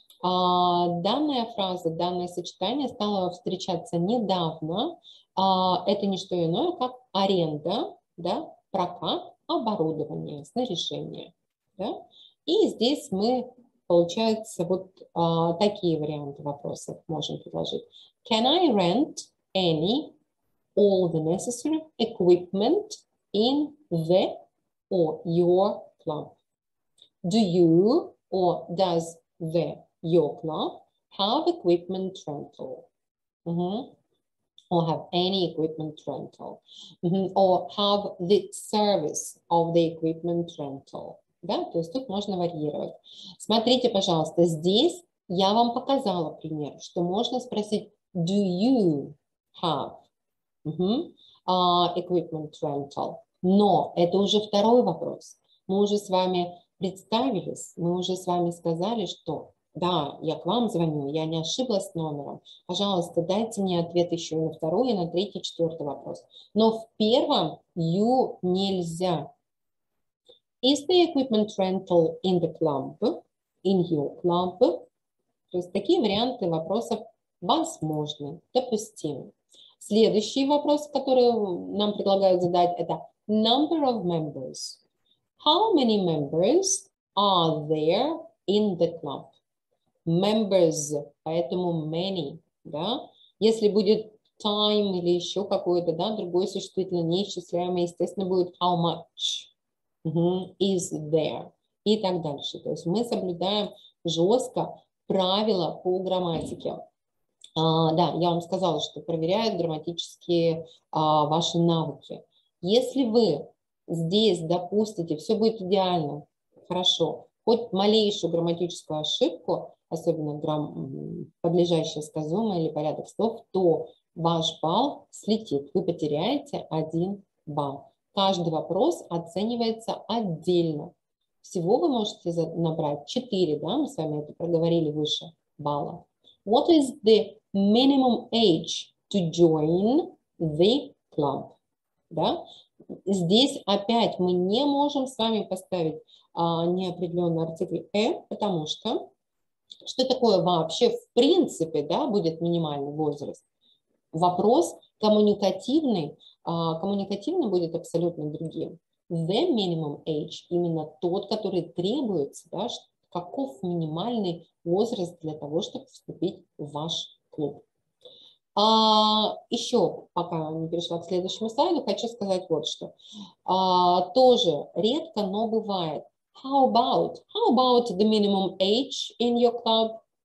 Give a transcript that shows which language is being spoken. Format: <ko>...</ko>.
<ru>Данная фраза, данное сочетание стало встречаться недавно. Это не что иное, как аренда, да, прокат оборудования, снаряжение. Да? И здесь мы, получается, вот такие варианты вопросов можем предложить.</ru> <en>Can I rent any all the necessary equipment in the or your club? Do you or does the your club have equipment rental? Or have any equipment rental? Or have the service of the equipment rental?</en> <ru>Да, то есть тут можно варьировать. Смотрите, пожалуйста, здесь я вам показала пример, что можно спросить</ru> <en>do you have equipment rental.</en> <ru>Но это уже второй вопрос. Мы уже с вами представились, мы уже с вами сказали, что да, я к вам звоню, я не ошиблась номером. Пожалуйста, дайте мне ответ еще на второй и на третий, четвертый вопрос. Но в первом you нельзя.</ru> <en>Is the equipment rental in the club? In your club?</en> <ru>То есть такие варианты вопросов возможны, допустимы. Следующий вопрос, который нам предлагают задать, это</ru> <en>number of members. How many members are there in the club?</en> <ru>Members, поэтому many, да? Если будет time или еще какое-то, да, другое существительное неисчисляемое, естественно, будет</ru> <en>how much is there</en> <ru>и так дальше. То есть мы соблюдаем жестко правила по грамматике. Да, я вам сказала, что проверяют грамматические ваши навыки. Если вы здесь допустите, все будет идеально, хорошо, хоть малейшую грамматическую ошибку, особенно подлежащее сказуемое или порядок слов, то ваш балл слетит, вы потеряете один балл. Каждый вопрос оценивается отдельно. Всего вы можете набрать 4, да, мы с вами это проговорили выше, балла.</ru> <en>What is the minimum age to join the club?</en> <ru>Да? Здесь опять мы не можем с вами поставить неопределенный артикль «э», потому что что такое вообще в принципе, да, будет минимальный возраст? Вопрос коммуникативный, коммуникативный будет абсолютно другим.</ru> <en>The minimum age,</en> <ru>именно тот, который требуется, да, каков минимальный возраст для того, чтобы вступить в ваш клуб. Еще, пока не перешла к следующему слайду, хочу сказать вот что. Тоже редко, но бывает.</ru> <en>How about the minimum age in your club?</en>